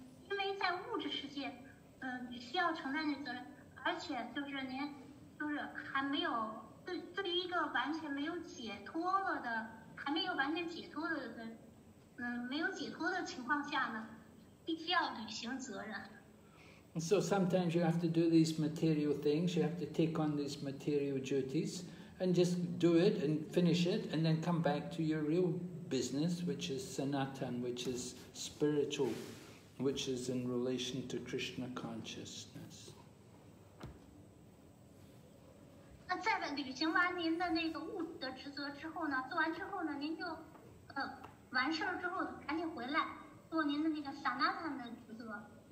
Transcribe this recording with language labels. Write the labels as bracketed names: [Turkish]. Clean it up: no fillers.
[Chinese] 因为在物质世界，你需要承担这个责任，而且就是您就是还没有对于一个完全没有解脱了的，还没有完全解脱的，没有解脱的情况下呢，必须要履行责任。 [English] So sometimes you have to do these material things, you have to take on these material duties and just do it and finish it and then come back to your real business, which is Sanatan, which is spiritual, which is in relation to Krishna consciousness. [Chinese] 那在履行完您的那个物质的职责之后呢，做完之后呢，您就完事之后赶紧回来做您的那个 Sanatan 的职责。